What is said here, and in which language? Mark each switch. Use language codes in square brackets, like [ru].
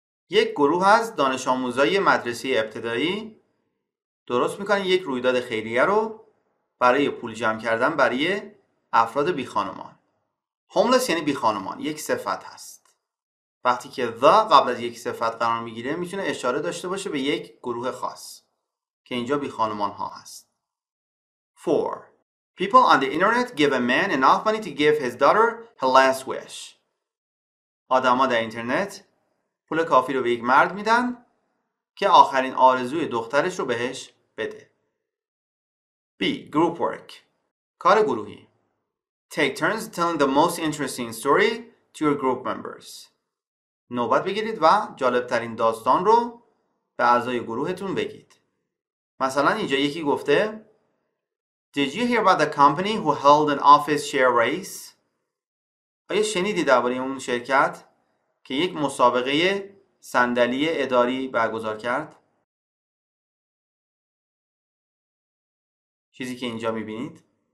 [fa] یک گروه از دانش آموزای مدرسه ابتدایی درست میکنن یک رویداد خیریه رو برای پول جمع کردن برای افراد بی خانمان. هوملس یعنی بی خانمان، یک صفت هست. وقتی که the قبل از یک صفت قرار میگیره میتونه اشاره داشته باشه به یک گروه خاص که اینجا بی خانمان ها هست. 4. [en] People on the internet give a man enough money to give his daughter her last wish. [fa] آدم ها در اینترنت پول کافی رو به یک مرد میدن که آخرین آرزوی دخترش رو بهش بده. [en] B. Group work. [fa] کار گروهی. [en] Take turns telling the most interesting story to your group members. [fa] نوبت بگیرید و جالبترین داستان رو به اعضای گروهتون بگید. مثلا اینجا یکی گفته [en] Did you hear about the company who held an office share race? [fa] آیا شنیدی درباره اون شرکت که یک مسابقه صندلی اداری برگزار کرد؟ چیزی که اینجا می‌بینید.